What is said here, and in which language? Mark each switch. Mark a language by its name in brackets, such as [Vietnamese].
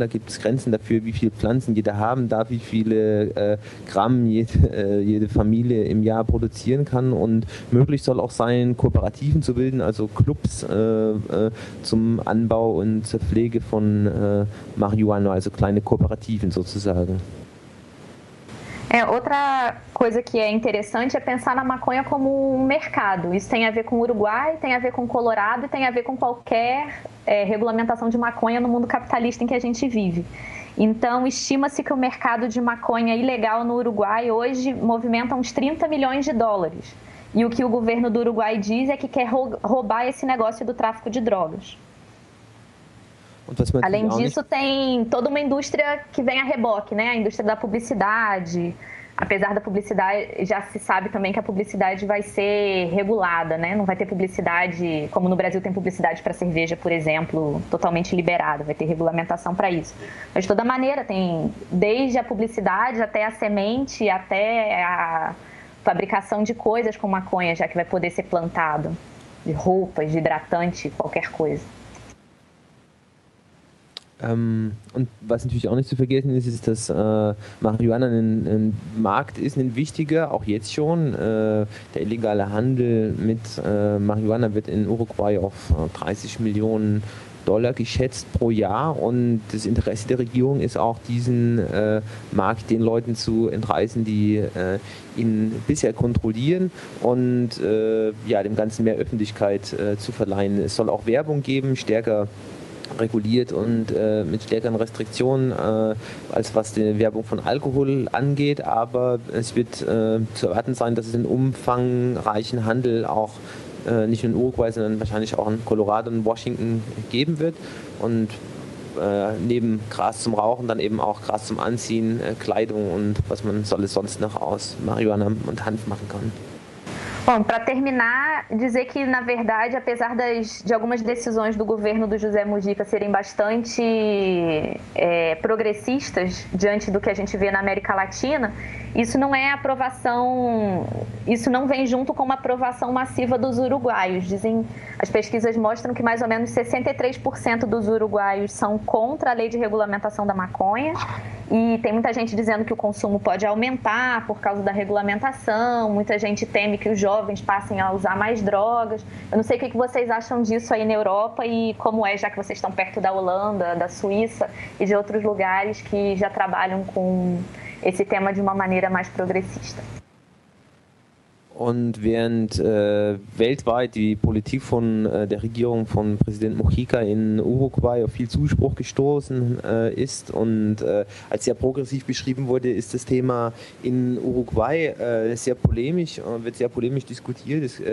[German] Da gibt es Grenzen dafür, wie viele Pflanzen jeder haben darf, wie viele Gramm jede Familie im Jahr produzieren kann. Und möglich soll auch sein, Kooperativen zu bilden, also Clubs zum Anbau und zur Pflege von Marihuana, also kleine Kooperativen sozusagen. [Portuguese] Outra coisa que é interessante é pensar na maconha como um mercado. Isso tem a ver com o Uruguai, tem a ver com o Colorado e tem a ver com qualquer regulamentação de maconha no mundo capitalista em que a gente vive. Então, estima-se que o mercado de maconha ilegal no Uruguai hoje movimenta uns 30 milhões de dólares. E o que o governo do Uruguai diz é que quer roubar esse negócio do tráfico de drogas. Além disso, tem toda uma indústria que vem a reboque, né? A indústria da publicidade. Apesar da publicidade, já se sabe também que a publicidade vai ser regulada, né? Não vai ter publicidade, como no Brasil tem publicidade para cerveja, por exemplo, totalmente liberada, vai ter regulamentação para isso. Mas de toda maneira, tem desde a publicidade até a semente, até a fabricação de coisas com maconha, já que vai poder ser plantado, de roupas, de hidratante, qualquer coisa. [German] Und was natürlich auch nicht zu vergessen ist, ist, dass Marihuana ein Markt ist, ein wichtiger, auch jetzt schon. Der illegale Handel mit Marihuana wird in Uruguay auf 30 Millionen Dollar geschätzt pro Jahr und das Interesse der Regierung ist auch, diesen Markt den Leuten zu entreißen, die ihn bisher kontrollieren und dem Ganzen mehr Öffentlichkeit zu verleihen. Es soll auch Werbung geben, stärker reguliert und mit stärkeren Restriktionen, als was die Werbung von Alkohol angeht. Aber es wird zu erwarten sein, dass es einen umfangreichen Handel auch nicht nur in Uruguay, sondern wahrscheinlich auch in Colorado und Washington geben wird. Und neben Gras zum Rauchen dann eben auch Gras zum Anziehen, Kleidung und was man solle sonst noch aus Marihuana und Hanf machen kann. [Portuguese] Bom, para terminar, dizer que, na verdade, apesar de algumas decisões do governo do José Mujica serem bastante progressistas diante do que a gente vê na América Latina, isso não é aprovação, isso não vem junto com uma aprovação massiva dos uruguaios. Dizem, as pesquisas mostram que mais ou menos 63% dos uruguaios são contra a lei de regulamentação da maconha. E tem muita gente dizendo que o consumo pode aumentar por causa da regulamentação, muita gente teme que os jovens passem a usar mais drogas. Eu não sei o que vocês acham disso aí na Europa e como é, já que vocês estão perto da Holanda, da Suíça e de outros lugares que já trabalham com esse tema de uma maneira mais progressista. [German] Und während weltweit die Politik von der Regierung von Präsident Mujica in Uruguay auf viel Zuspruch gestoßen ist und als sehr progressiv beschrieben wurde, ist das Thema in Uruguay sehr polemisch, wird sehr polemisch diskutiert.